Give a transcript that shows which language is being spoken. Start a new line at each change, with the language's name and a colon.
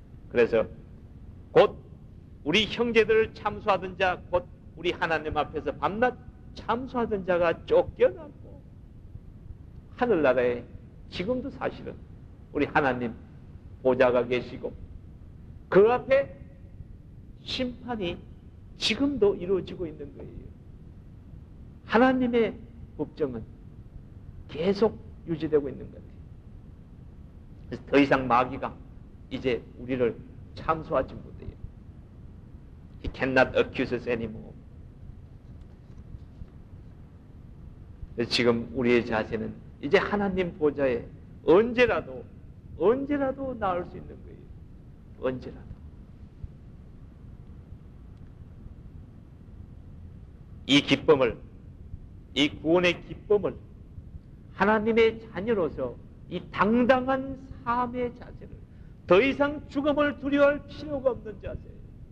Korean: 그래서 곧 우리 형제들을 참수하던 자 곧 우리 하나님 앞에서 밤낮 참수하던 자가 쫓겨나고 하늘나라에 지금도 사실은 우리 하나님 보좌가 계시고 그 앞에 심판이 지금도 이루어지고 있는 거예요. 하나님의 법정은 계속 유지되고 있는 것 같아요. 그래서 더 이상 마귀가 이제 우리를 참소하지 못해요.
English: He cannot accuse us anymore.
Korean: 지금 우리의 자세는 이제 하나님 보좌에 언제라도 나올 수 있는 거예요. 언제라도. 이 기쁨을, 이 구원의 기쁨을 하나님의 자녀로서 이 당당한 삶의 자세를 더 이상 죽음을 두려워할 필요가 없는 자세예요.